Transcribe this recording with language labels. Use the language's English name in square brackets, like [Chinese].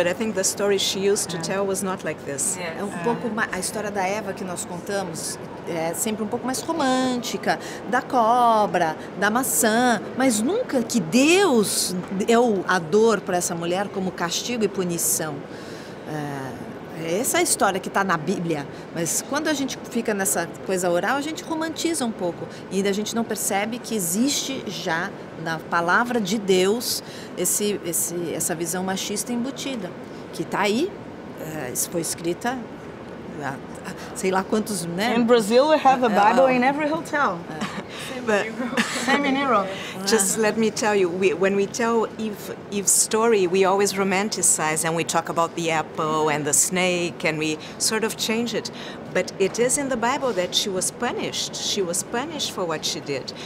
[English] But I think the story she used to tell was not like this. [Portuguese] É um pouco mais, a história da Eva que nós contamos é sempre um pouco mais romântica, da cobra, da maçã, mas nunca que Deus deu a dor para essa mulher como castigo e punição. Essa é a história que está na Bíblia, mas quando a gente fica nessa coisa oral, a gente romantiza um pouco e a gente não percebe que existe já na palavra de Deus essa visão machista embutida, que está aí, isso foi escrita há sei lá quantos, né? [English] In Brazil, we have a Bible in every hotel. Same in Europe. Just let me tell you, when we tell Eve's story, we always romanticize and we talk about the apple and the snake and we sort of change it. But it is in the Bible that she was punished. She was punished for what she did.